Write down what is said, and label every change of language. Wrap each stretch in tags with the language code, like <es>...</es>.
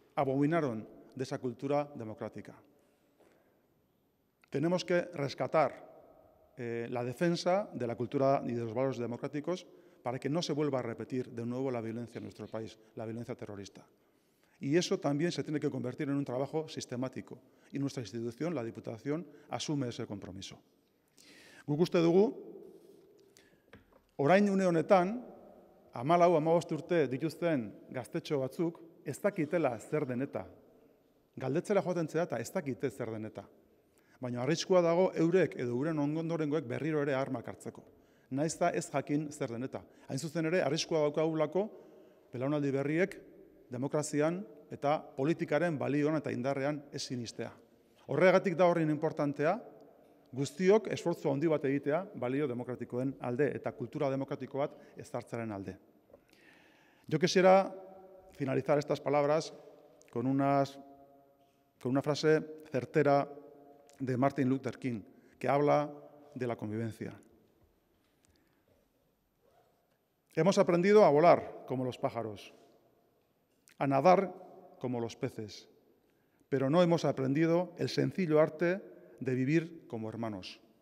<es>Abominaron de esa cultura democrática. Tenemos que rescatar la defensa de la cultura y de los valores democráticos para que no se vuelva a repetir de nuevo la violencia en nuestro país, la violencia terrorista. Y eso también se tiene que convertir en un trabajo sistemático. Y nuestra institución, la Diputación, asume ese compromiso.</es> <eu>Guk uste dugu, orain une honetan, 14-15 urte dituzten gaztetxo batzuk, ez dakitela zer den eta. Galdetzera joaten zera eta ez dakite zer den eta. Baina arriskua dago eurek edo euren ondorengoek berriro ere armak hartzeko. Naiz da ez jakin zer den eta. Hain zuzen ere, arriskua daukagulako belaunaldi berriek demokrazian eta politikaren balioan eta indarrean ez sinistea. Horregatik da horren importantea, guztiok esfortzu handi bat egitea balio demokratikoen alde eta kultura demokratiko bat ezartzaren alde.</eu> <es>Yo quisiera finalizar estas palabras con una frase certera de Martin Luther King, que habla de la convivencia. Hemos aprendido a volar como los pájaros, a nadar como los peces, pero no hemos aprendido el sencillo arte de vivir como hermanos.</es>